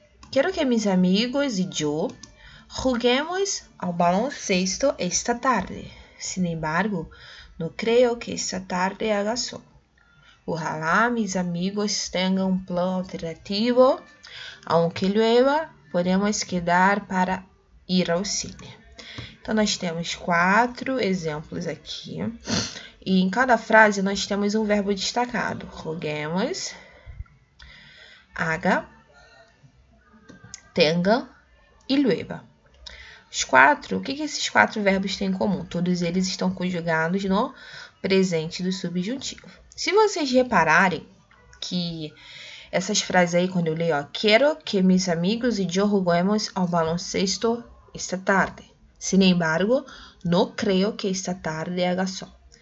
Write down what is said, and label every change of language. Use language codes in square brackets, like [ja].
[es] Quero que mis amigos y yo juguemos al baloncesto esta tarde. Sin embargo, no creo que esta tarde haga sol. Ojalá mis amigos tengan un plan alternativo. Aunque llueva, podemos quedar para ir al cine. [pt] Então, nós temos quatro exemplos aqui. E em cada frase, nós temos um verbo destacado. Juguemos. [es] Haga, tenga e llueva. [pt] Os quatro, o que esses quatro verbos têm em comum? Todos eles estão conjugados no presente do subjuntivo. Se vocês repararem que essas frases aí, quando eu leio, ó, quero que [es] mis amigos y yo juguemos al baloncesto esta tarde. Sin embargo, no creo que esta tarde haga sol.